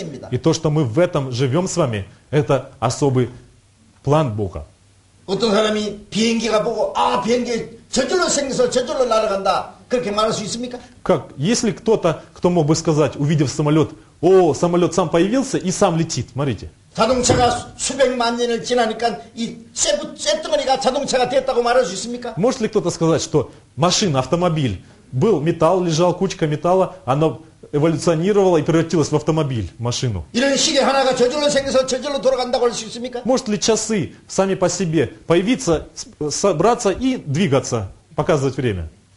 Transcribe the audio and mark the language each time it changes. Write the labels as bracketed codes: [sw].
[ru] И то, что мы в этом живем с вами, это особый план Бога. Как, если кто-то, кто мог бы сказать, увидев самолет, о, самолет сам появился и сам летит. Смотрите. [ko] 자동차가 수백만 년을 지나니까 이 쇠덩어리가 자동차가 됐다고 말할 수 있습니까? [ru] Может ли кто-то сказать, что машина, автомобиль, был металл, лежал кучка металла, оно эволюционировала и превратилась в автомобиль, машину. Может ли часы сами по себе появиться, собраться и двигаться, показывать время?